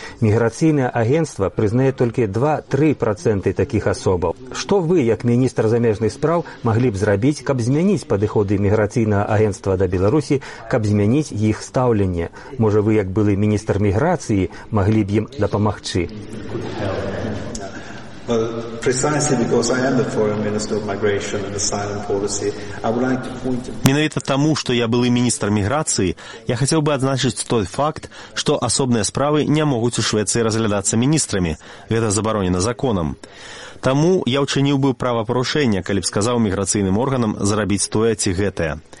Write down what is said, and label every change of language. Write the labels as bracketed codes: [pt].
[be] Міграцыйнае агенцтва прызнае толькі 2-3% такіх асобаў. Што вы, як міністр замежных спраў, маглі б зрабіць, каб змяніць падыходы міграцыйнага агенцтва да Беларусі, каб змяніць іх стаўленне? Можа, вы, як былы міністр міграцыі, маглі б ім дапамагчы? [en] Well, precisely because I am the foreign minister of migration and asylum policy, I would like to point... [be] Менавіта таму, што я былы міністр міграцыі, я хацеў бы адзначыць той факт, што асобныя справы не могуць у Швецыі разглядацца міністрамі. Гэта забаронена законам. Таму я ўчыніў бы правапарушэнне, калі б сказаў міграцыйным органам зрабіць тое ці гэтае.